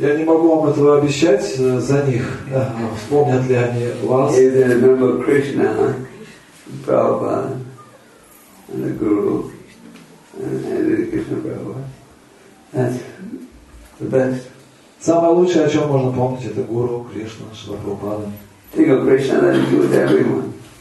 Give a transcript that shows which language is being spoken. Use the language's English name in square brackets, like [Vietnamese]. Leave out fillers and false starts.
[Russian] Я не могу вам этого обещать за них. Вспомнят ли они вас? [English] If they remember Krishna, Prabhupada, and the Guru, and the Krishna Prabhupada, that's the best. [Russian] Самое лучшее, о чем можно помнить, это Гуру, Кришна, Шри Прабхупада. [English] Think of Krishna that is good to everyone.